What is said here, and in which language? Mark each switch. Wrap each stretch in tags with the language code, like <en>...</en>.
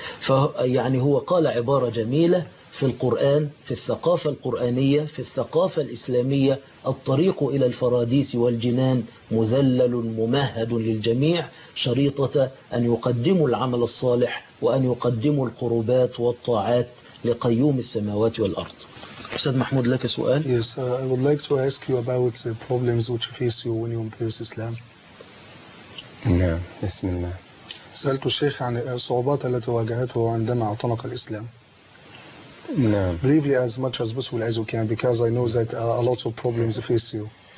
<ar>فيعني هو قال عبارة جميلة: في القرآن، في الثقافة القرآنية، في الثقافة الإسلامية، الطريق إلى الفراديس والجنان مذلل ممهد للجميع، شريطة أن يقدموا العمل الصالح وأن يقدموا القربات والطاعات لقيوم السماوات والأرض. أستاذ محمود، لك سؤال.</ar> <en>Yes, I would like to ask you about the problems which face you when you embrace Islam.</en> <ar>نعم، بسم الله. سألت الشيخ عن الصعوبات التي واجهته عندما اعتنق الإسلام. نعم.</ar> <en>Briefly, as much as possible as you can, because I know that a lot of problems face you.</en>